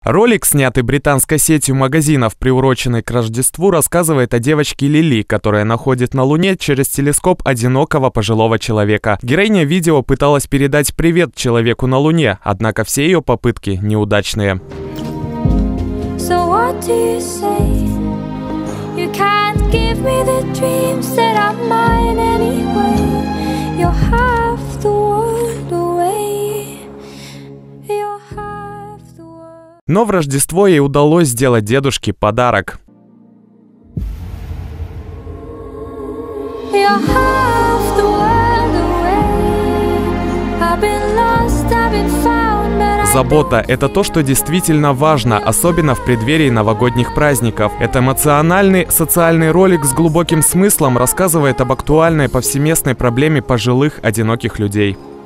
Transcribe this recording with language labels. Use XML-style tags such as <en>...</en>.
<ru>Ролик, снятый британской сетью магазинов, приуроченный к Рождеству, рассказывает о девочке Лили, которая находит на Луне через телескоп одинокого пожилого человека. Героиня видео пыталась передать привет человеку на Луне, однако все ее попытки неудачные.</ru> <en>So what do you say? You can't give me the dreams that are mine anyway. You're half the world away. You're half the world.</en> <ru>Но в Рождество ей удалось сделать дедушке подарок.</ru> <en>You're half the world away. I've been lost, I've been found.</en> <ru>Забота – это то, что действительно важно, особенно в преддверии новогодних праздников. Это эмоциональный, социальный ролик с глубоким смыслом рассказывает об актуальной повсеместной проблеме пожилых, одиноких людей.</ru>